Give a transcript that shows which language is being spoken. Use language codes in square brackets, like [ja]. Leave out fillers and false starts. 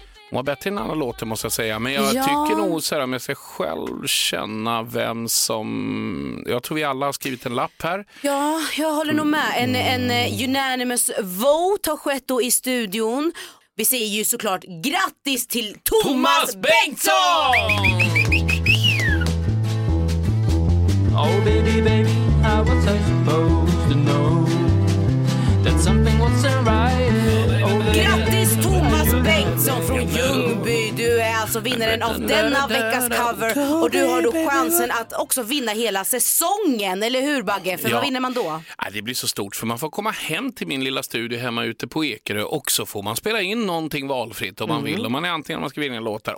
[sv] Hon har bett en annan låt, måste jag säga. Men jag tycker nog så här, om jag ska själv känna vem som... Jag tror vi alla har skrivit en lapp här. Ja, jag håller nog med. En unanimous vote har skett då i studion. Vi säger ju såklart grattis till Thomas Bengtsson! [en] Oh baby, baby, how was I supposed to know that something wasn't right? [sv] Grattis Thomas Bengtsson från Ljungby. Du är alltså vinnaren av denna veckas cover. Och du har då chansen att också vinna hela säsongen. Eller hur, Bagge? För vad vinner man då? Det blir så stort, för man får komma hem till min lilla studio hemma ute på Ekerö. Och så får man spela in någonting valfritt om man vill. Om man är antingen om man ska vinna en låt där.